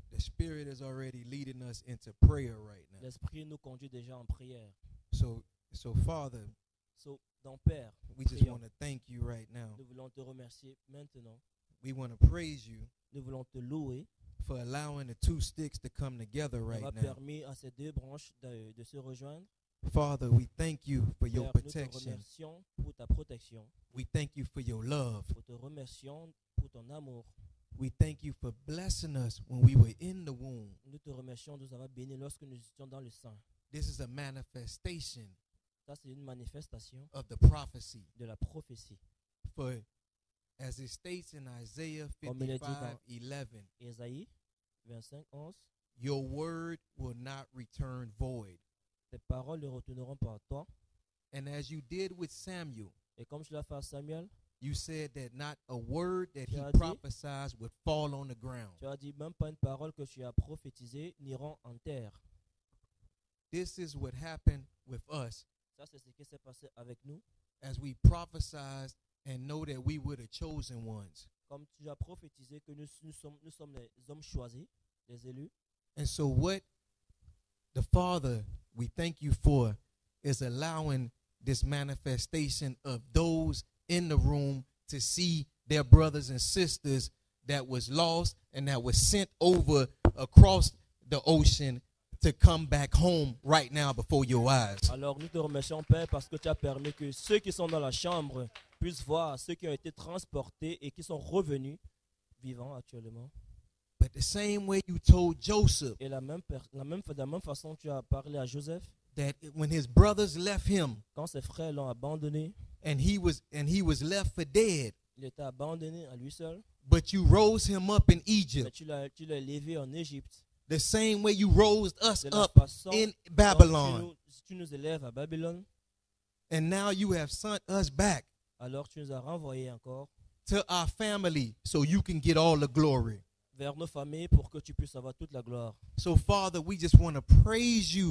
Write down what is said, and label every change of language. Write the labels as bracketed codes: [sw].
[en] the Spirit is already leading us into prayer right now. [fr] L'esprit nous conduit déjà en prière. [en] So Father, [fr] so donc Père, [en] we just want to thank you right now. [fr] Nous voulons te remercier maintenant. [en] We want to praise you. [fr] Nous voulons te louer. [en] For allowing the two sticks to come together right now. [fr] Permis à ces deux branches de se rejoindre. [en] Father, we thank you for your protection. [fr] Nous te remercions pour ta protection. [en] We thank you for your love. [fr] Nous te remercions pour ton amour. [en] We thank you for blessing us when we were in the womb. [fr] Nous te remercions de nous avoir bénis lorsque nous étions dans le sein. [en] This is a manifestation. [fr] Ça, c'est une manifestation [en] of the prophecy. [fr] De la prophétie. [en] For as it states in Isaiah 55:11, [fr] Isaïe 25:11, [en] your word will not return void. [fr] Tes paroles ne retourneront pas à toi. [en] And as you did with Samuel, [fr] et comme tu l'as fait à Samuel, [en] you said that not a word that he prophesied would fall on the ground. [fr] Tu as dit même pas une parole que tu as prophétisée n'iront en terre. [en] This is what happened with us. [fr] Ça, c'est ce qui s'est passé avec nous. [en] As we prophesied and know that we were the chosen ones. [fr] Comme tu as prophétisé que nous sommes les hommes choisis, les élus. [en] And so what the Father, we thank you for, is allowing this manifestation of those in the room to see their brothers and sisters that was lost and that was sent over across the ocean to come back home right now before your eyes. [fr] Alors nous te remercions, Père, parce que tu as permis que ceux qui sont dans la chambre puissent voir ceux qui ont été transportés et qui sont revenus vivants actuellement. [en] But the same way you told Joseph, [fr] et la même façon tu as parlé à Joseph, [en] that when his brothers left him, [fr] quand ses frères l'ont abandonné, [en] and he was left for dead, [fr] il était abandonné à lui seul, [en] but you rose him up in Egypt, [fr] mais tu l'as levé en Égypte, [en] the same way you rose us [fr] de la [en] up [fr] façon [en] in Babylon, [fr] tu nous élèves à Babylone, [en] and now you have sent us back. [fr] Alors tu nous as renvoyé encore [en] to our family so you can get all the glory. [fr] Vers nos familles pour que tu puisses avoir toute la gloire. [en] So Father, we just want to praise you